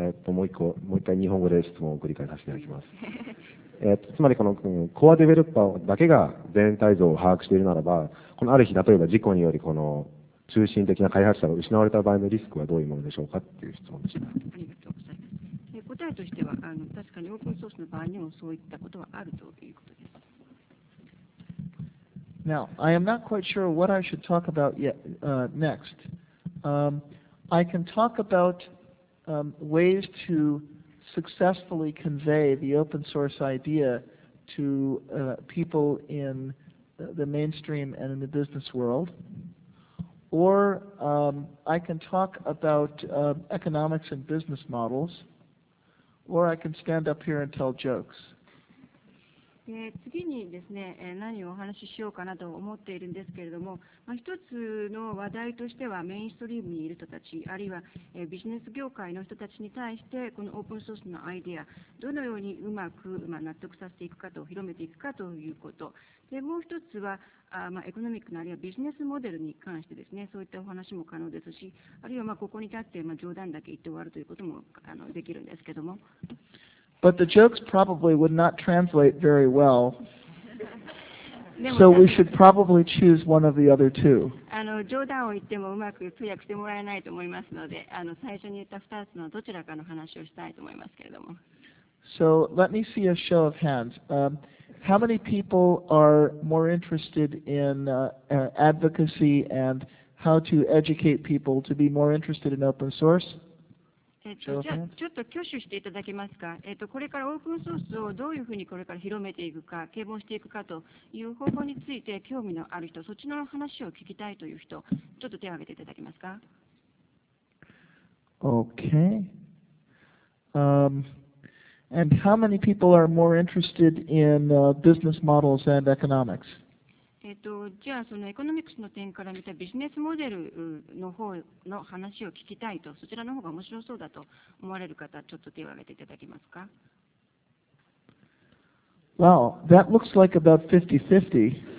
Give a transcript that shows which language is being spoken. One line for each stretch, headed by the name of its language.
Japanese: もう一回日本語で質問を繰り返させていただきます。つまりこのコアデベロッパーだけが全体像を把握しているならば、このある日例えば事故によりこの中心的な開発者が失われた場合のリスクはどういうものでしょうかっていう質問でした。ありがとうございます。答えとしては確かにオープンソースの場合にもそういったことはあるということです。
English: Now, I am not quite sure what I should talk about yet, next. I can talk about ways to... successfully convey the open source idea to people in the mainstream and in the business world, or I can talk about economics and business models, or I can stand up here and tell jokes.
Japanese: 次にですね、何をお話ししようかなと思っているんですけれども、一つの話題としては、メインストリームにいる人たち、あるいはビジネス業界の人たちに対して、このオープンソースのアイデア、どのようにうまく納得させていくかと、広めていくかということ、でもう一つは、エコノミックのあるいはビジネスモデルに関してですね、そういったお話も可能ですし、あるいはここに立って冗談だけ言って終わるということもできるんですけれども。
English: But the jokes probably would not translate very well. So we should probably choose one of the other two.
Japanese: 冗談を言ってもうまく通訳してもらえないと思いますので、最初に言った2つのどちらかの話をしたいと思いますけれども。
English: So let me see a show of hands. How many people are more interested in advocacy and how to educate people to be more interested in open source?
Japanese: ちょっと挙手していただけますか。これからオープンソースをどういうふうにこれから広めていくか、啓蒙していくかという方法について興味のある人、そっちの話を聞きたいという人、ちょっと手を挙げていただけますか。
English: Okay. And how many people are more interested in business models and economics?
Japanese: じゃあそのエコノミクスの点から見たビジネスモデルの方の話を聞きたいと、そちらの方が面白そうだと思われる方、ちょっと手を挙げていただけますか。
English: Wow, that looks like about 50-50.